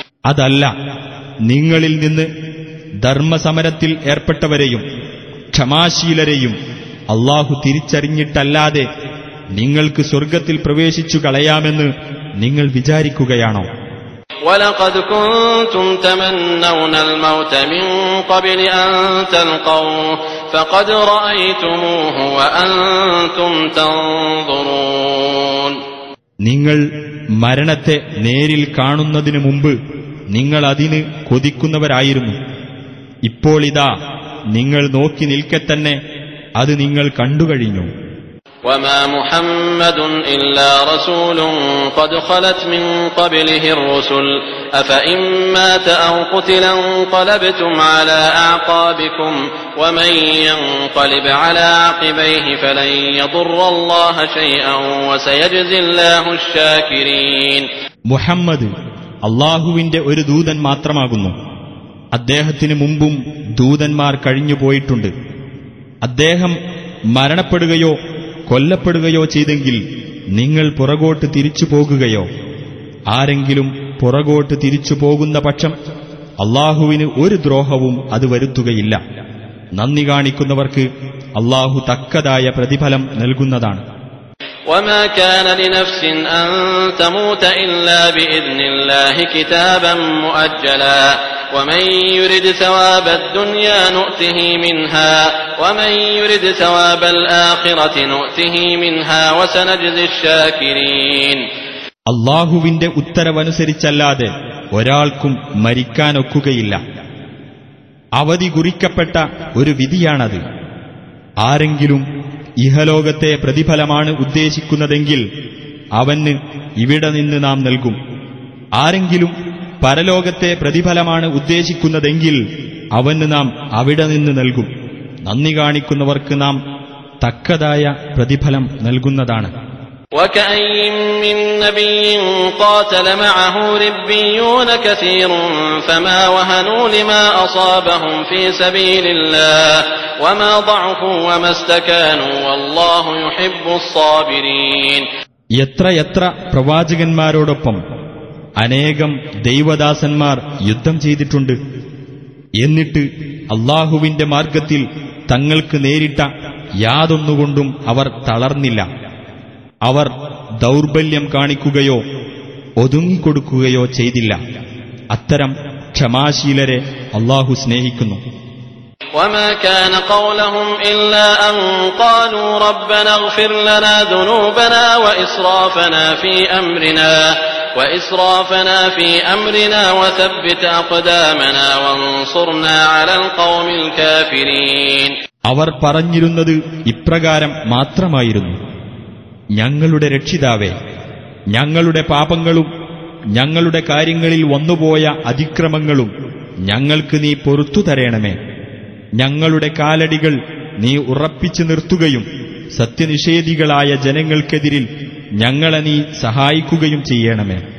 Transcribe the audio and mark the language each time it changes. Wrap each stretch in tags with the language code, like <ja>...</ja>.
<ml>അതല്ല, നിങ്ങളിൽ നിന്ന് ധർമ്മസമരത്തിൽ ഏർപ്പെട്ടവരെയും ക്ഷമാശീലരെയും അല്ലാഹു തിരിച്ചറിഞ്ഞിട്ടല്ലാതെ നിങ്ങൾക്ക് സ്വർഗത്തിൽ പ്രവേശിച്ചു കളയാമെന്ന് നിങ്ങൾ വിചാരിക്കുകയാണോ?</ml> <ar>ولقد كنتم تمنون الموت من قبل ان تلقوه فقد رايتموه وانتم تنظرون.</ar> <ml>നിങ്ങൾ മരണത്തെ നേരിൽ കാണുന്നതിനു മുമ്പ് നിങ്ങൾ അതിനെ കൊതിക്കുന്നവരായിരുന്നു. ഇപ്പോൾ ഇതാ നിങ്ങൾ നോക്കി നിൽക്കെ തന്നെ അത് നിങ്ങൾ കണ്ടു കഴിഞ്ഞു.</ml> <ar>وما محمد إلا رسول قد خلت من قبله الرسل أفإن مات أو قتل انقلبتم على أعقابكم ومن ينقلب على عقبيه فلن يضر الله شيئا وسيجزي الله الشاكرين</ar> <ml>محمد അള്ളാഹുവിന്റെ ഒരു ദൂതൻ മാത്രമാകുന്നു. അദ്ദേഹത്തിന് മുമ്പും ദൂതന്മാർ കഴിഞ്ഞുപോയിട്ടുണ്ട്. അദ്ദേഹം മരണപ്പെടുകയോ കൊല്ലപ്പെടുകയോ ചെയ്തെങ്കിൽ നിങ്ങൾ പുറകോട്ട് തിരിച്ചു പോകുകയോ? ആരെങ്കിലും പുറകോട്ട് തിരിച്ചു പോകുന്ന പക്ഷം അള്ളാഹുവിന് ഒരു ദ്രോഹവും അത് വരുത്തുകയില്ല. നന്ദി കാണിക്കുന്നവർക്ക് അള്ളാഹു തക്കതായ പ്രതിഫലം നൽകുന്നതാണ്.</ml> <ar>وما كان لنفس أن تموت إلا بإذن الله كتابا مؤجلا ومن يرد ثواب الدنيا نؤته منها ومن يرد ثواب الآخرة نؤته منها وسنجزي الشاكرين الله ويند اتر ونسرح اللاد ورالكم مريكان اكوك إلا عوضي قريكا پتا ور ودیانا دي آرنگلوم</ar> <ml>ഇഹലോകത്തെ പ്രതിഫലമാണ് ഉദ്ദേശിക്കുന്നതെങ്കിൽ അവന് ഇവിടെ നിന്ന് നാം നൽകും. ആരെങ്കിലും പരലോകത്തെ പ്രതിഫലമാണ് ഉദ്ദേശിക്കുന്നതെങ്കിൽ അവന് നാം അവിടെ നിന്ന് നൽകും. നന്ദി കാണിക്കുന്നവർക്ക് നാം തക്കതായ പ്രതിഫലം നൽകുന്നതാണ്.</ml> <ar>وَكَأَيِّن مِّن نَّبِيٍّ قَاتَلَ مَعَهُ رِبِّيُّونَ كَثِيرٌ فَمَا وَهَنُوا لِمَا أَصَابَهُمْ فِي سَبِيلِ اللَّهِ وَمَا ضَعُفُوا وَمَا اسْتَكَانُوا وَاللَّهُ يُحِبُّ الصَّابِرِينَ يَتْرَ يَتْرَ</ar> <ml>പ്രവാചകന്മാരോടൊപ്പം അനേകം ദൈവദാസന്മാർ യുദ്ധം ചെയ്തിട്ടുണ്ട്. എന്നിട്ട് അല്ലാഹുവിന്റെ മാർഗ്ഗത്തിൽ തങ്ങൾക്ക് നേരിട്ട യാതൊന്നുകൊണ്ടും അവർ തളർന്നില്ല. അവർ ദൗർബല്യം കാണിക്കുകയോ ഒതുങ്ങിക്കൊടുക്കുകയോ ചെയ്തില്ല. അത്തരം ക്ഷമാശീലരെ അല്ലാഹു സ്നേഹിക്കുന്നു.</ml> <ar>وما كان قولهم إلا أن قالوا ربنا اغفر لنا ذنوبنا وإسرافنا في أمرنا وثبت أقدامنا وانصرنا على القوم الكافرين</ar> <ml>അവർ പറഞ്ഞിരുന്നത് ഇപ്രകാരം മാത്രമായിരുന്നു. ഞങ്ങളുടെ രക്ഷിതാവേ, ഞങ്ങളുടെ പാപങ്ങളും ഞങ്ങളുടെ കാര്യങ്ങളിൽ വന്നുപോയ അതിക്രമങ്ങളും ഞങ്ങൾക്ക് നീ പൊറുത്തു തരേണമേ. ഞങ്ങളുടെ കാലടികൾ നീ ഉറപ്പിച്ചു നിർത്തുകയും സത്യനിഷേധികളായ ജനങ്ങൾക്കെതിരിൽ ഞങ്ങളെ നീ സഹായിക്കുകയും ചെയ്യണമേ.</ml>